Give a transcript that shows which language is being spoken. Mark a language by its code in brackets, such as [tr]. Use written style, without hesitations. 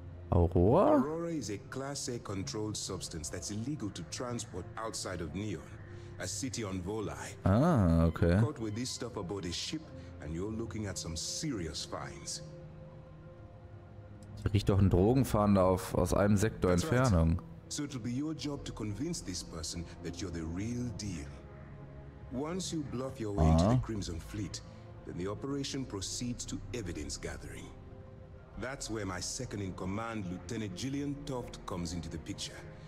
[en] Aurora? Aurora is a Class A controlled substance that's illegal to transport outside of Neon, a city on Volai. Ah, okay. You're caught with this stuff aboard a ship, and you're looking at some serious fines. [de] Riecht doch ein Drogenfahnder aus einem Sektor Entfernung. [en] So it'll be your job to convince this person that you're the real deal. Once you bluff your way into the Crimson Fleet, then the operation proceeds to evidence gathering. That's where my second in command, Lieutenant Gillian Toft, comes into the picture.